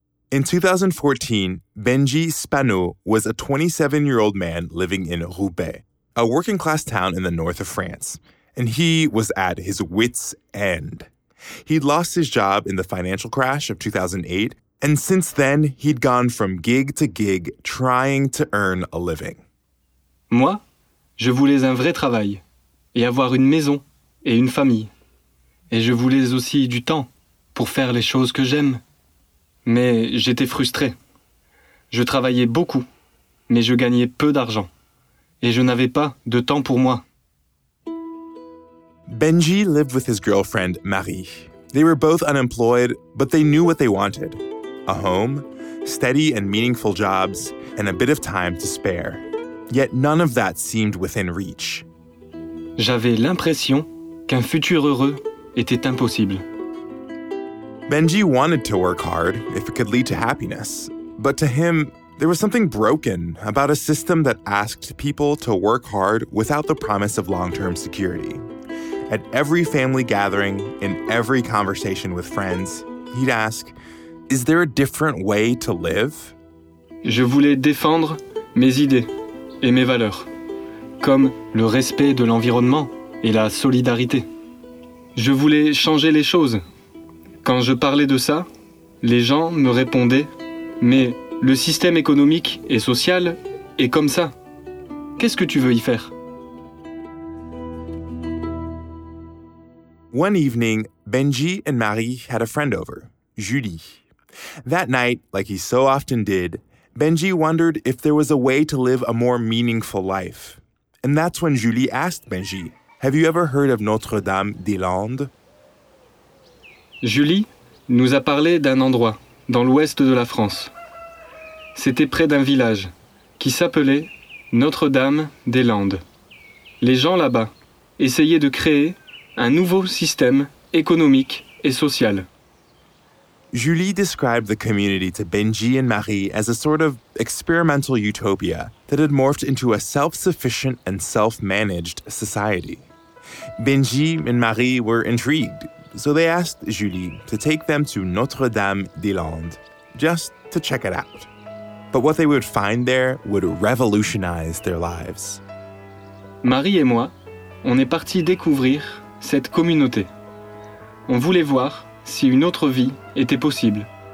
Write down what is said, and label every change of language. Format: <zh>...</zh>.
<en>In 2014, Benji Spanou was a 27-year-old man living in Roubaix, a working-class town in the north of France, and he was at his wit's end. He'd lost his job in the financial crash of 2008, and since then, he'd gone from gig to gig trying to earn a living.</en> <fr>Moi, je voulais un vrai travail, et avoir une maison et une famille. Et je voulais aussi du temps pour faire les choses que j'aime. Mais j'étais frustré. Je travaillais beaucoup, mais je gagnais peu d'argent. Et je n'avais pas de temps pour moi.</fr> <en>Benji lived with his girlfriend, Marie. They were both unemployed, but they knew what they wanted. A home, steady and meaningful jobs, and a bit of time to spare. Yet none of that seemed within reach.</en> <fr>J'avais l'impression qu'un futur heureux était impossible.</fr> <en>Benji wanted to work hard if it could lead to happiness. But to him, there was something broken about a system that asked people to work hard without the promise of long-term security. At every family gathering, in every conversation with friends, he'd ask, "Is there a different way to live?"</en> <fr>Je voulais défendre mes idées et mes valeurs, comme le respect de l'environnement et la solidarité. Je voulais changer les choses. Quand je parlais de ça, les gens me répondaient, mais le système économique et social est comme ça. Qu'est-ce que tu veux y faire?</fr> <en>One evening, Benji and Marie had a friend over, Julie. That night, like he so often did, Benji wondered if there was a way to live a more meaningful life. And that's when Julie asked Benji, "Have you ever heard of Notre-Dame-des-Landes?"</en> <fr>Julie nous a parlé d'un endroit dans l'ouest de la France. C'était près d'un village qui s'appelait Notre-Dame-des-Landes. Les gens là-bas essayaient de créer un nouveau système économique et social.</fr> <en>Julie described the community to Benji and Marie as a sort of experimental utopia that had morphed into a self-sufficient and self-managed society. Benji and Marie were intrigued, so they asked Julie to take them to Notre-Dame-des-Landes, just to check it out. But what they would find there would revolutionize their lives.</en> <fr>Marie et moi, on est partis découvrir cette communauté. On voulait voir si une autre vie était possible.</fr>